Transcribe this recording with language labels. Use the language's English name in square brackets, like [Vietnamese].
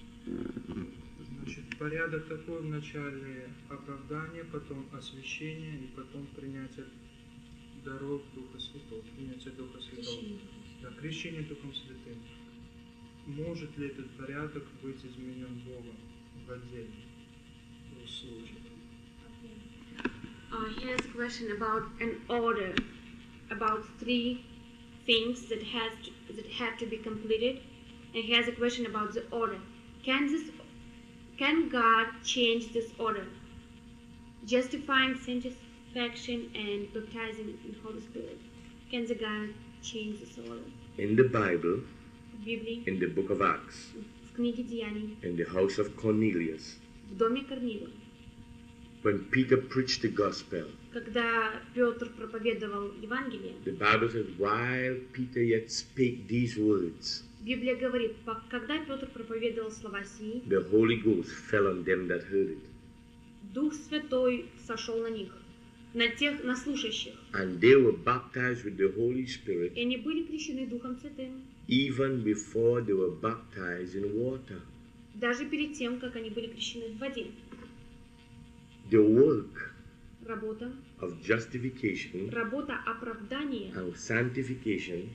[Russian] Значит, порядок такой: вначале оправдание, потом освящение, и потом принятие даров Духа Святого. Принятие Духа Святого. Крещение. Да, крещение Духом Святым. Может ли этот порядок быть изменен Богом в отдельном службе? [English] Okay. Here's a question about an order, about three things that have to be completed. And he has a question about the order. Can God change this order? Justifying sanctification and baptizing in the Holy Spirit. Can the God change this order? In the Bible. [Russian] Библии. [English] In the book of Acts. [Russian] В книге Деяний. [English] In the house of Cornelius. [Russian] В доме Корнилия. [English] When Peter preached the gospel. [Russian] Когда Петр проповедовал Евангелие. [English] The Bible says, while Peter yet spake these words. [Russian] Библия говорит, когда Петр проповедовал слова сии. [English] The Holy Ghost fell on them that heard it. [Russian] Дух Святой сошел на них, на тех, на слушающих. [English] And they were baptized with the Holy Spirit. [Russian] И они были крещены Духом Святым. [English] Even before they were baptized in water. [Russian] Даже перед тем, как они были крещены в воде. [English] the work [Russian] работа, [English] of justification [Russian] работа оправдания [English] and sanctification